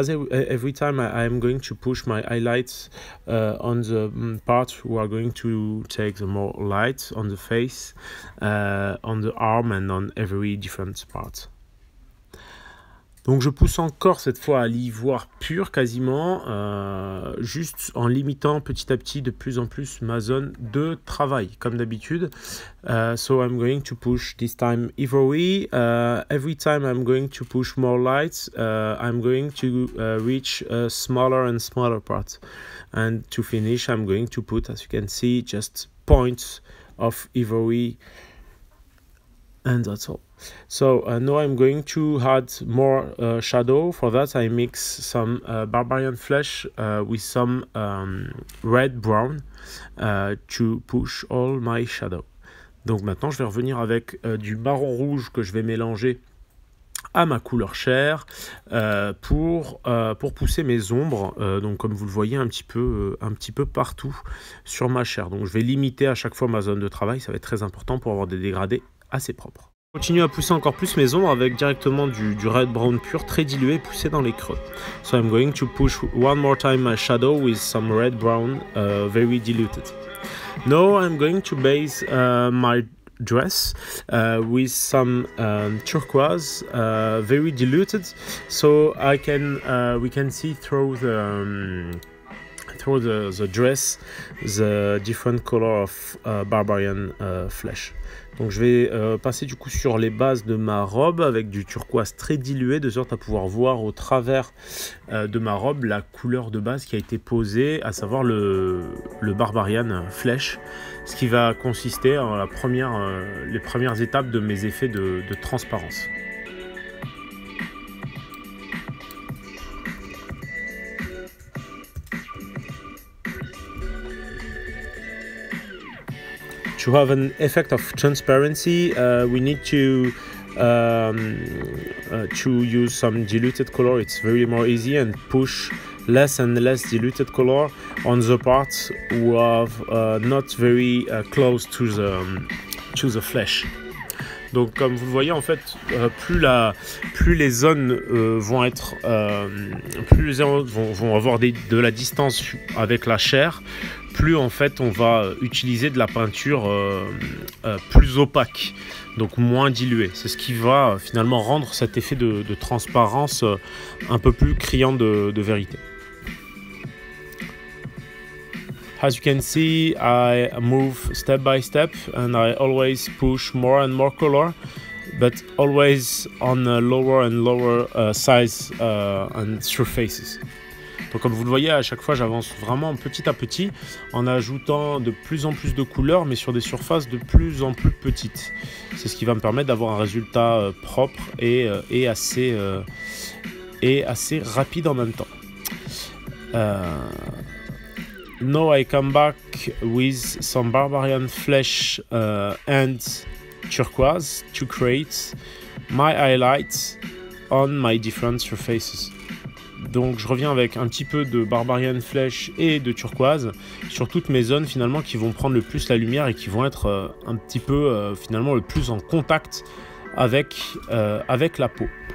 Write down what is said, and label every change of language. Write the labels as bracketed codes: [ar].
[en] Every time I am going to push my highlights on the part who are going to take the more light on the face, on the arm and on every different part. [fr] Donc je pousse encore cette fois à l'ivoire pur quasiment, juste en limitant petit à petit de plus en plus ma zone de travail, comme d'habitude. [en] So I'm going to push this time ivory. Every time I'm going to push more light, I'm going to reach a smaller and smaller part. And to finish, I'm going to put, as you can see, just points of ivory. And that's all. So now I'm going to add more shadow. For that, I mix some Barbarian Flesh with some red brown to push all my shadow. [fr] Donc maintenant, je vais revenir avec du marron rouge que je vais mélanger à ma couleur chair pour pousser mes ombres, donc comme vous le voyez un petit peu partout sur ma chair. Donc je vais limiter à chaque fois ma zone de travail. Ça va être très important pour avoir des dégradés assez propre. Je continue à pousser encore plus mes ombres avec directement du red brown pur très dilué poussé dans les creux. [en] So I'm going to push one more time my shadow with some red brown very diluted. Now I'm going to base my dress with some turquoise very diluted so I can we can see through the the dress the different color of barbarian flesh. [fr] Donc je vais passer du coup sur les bases de ma robe avec du turquoise très dilué de sorte à pouvoir voir au travers de ma robe la couleur de base qui a été posée, à savoir le Barbarian Flesh, ce qui va consister en les premières étapes de mes effets de transparence. [en] To have an effect of transparency, we need to use some diluted color. It's very more easy and push less and less diluted color on the parts who have not very close to the flesh. [fr] Donc comme vous le voyez en fait, plus les zones vont être, plus les zones vont avoir de la distance avec la chair, plus en fait on va utiliser de la peinture plus opaque, donc moins diluée. C'est ce qui va finalement rendre cet effet de transparence un peu plus criant de vérité. [en] As you can see, I move step by step and I always push more and more color, but always on a lower and lower size and surfaces. [fr] Donc comme vous le voyez, à chaque fois j'avance vraiment petit à petit en ajoutant de plus en plus de couleurs mais sur des surfaces de plus en plus petites. C'est ce qui va me permettre d'avoir un résultat propre et assez rapide en même temps. [en] Now I come back with some Barbarian Flesh and Turquoise to create my highlights on my different surfaces. [fr] Donc je reviens avec un petit peu de Barbarian Flesh et de Turquoise sur toutes mes zones finalement qui vont prendre le plus la lumière et qui vont être un petit peu finalement le plus en contact avec la peau.